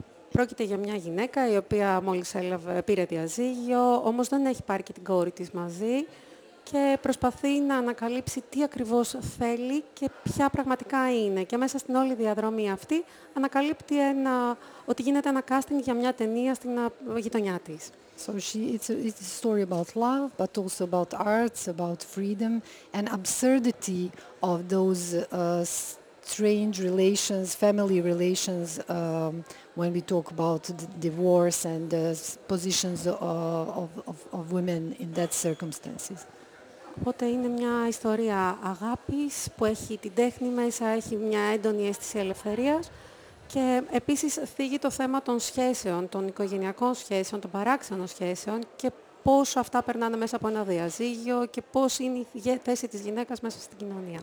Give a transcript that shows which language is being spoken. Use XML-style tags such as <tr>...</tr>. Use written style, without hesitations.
<el>Πρόκειται για μια γυναίκα η οποία μόλις πήρε διαζύγιο, όμως δεν έχει πάρει και την κόρη της μαζί και προσπαθεί να ανακαλύψει τι ακριβώς θέλει και ποια πραγματικά είναι. Και μέσα στην όλη διαδρομή αυτή ανακαλύπτει ότι γίνεται ένα casting για μια ταινία στην γειτονιά της.</el> <en>So it's a story about love, but also about arts, about freedom and absurdity of those strange relations, family relations, when we talk about the divorce and the positions of women in that circumstances.</en> <el>Οπότε είναι μια ιστορία αγάπης που έχει την τέχνη μέσα, έχει μια έντονη αίσθηση ελευθερίας και επίσης θίγει το θέμα των σχέσεων, των οικογενειακών σχέσεων, των παράξενων σχέσεων και πόσο αυτά περνάνε μέσα από ένα διαζύγιο και πώς είναι η θέση της γυναίκας μέσα στην κοινωνία.</el>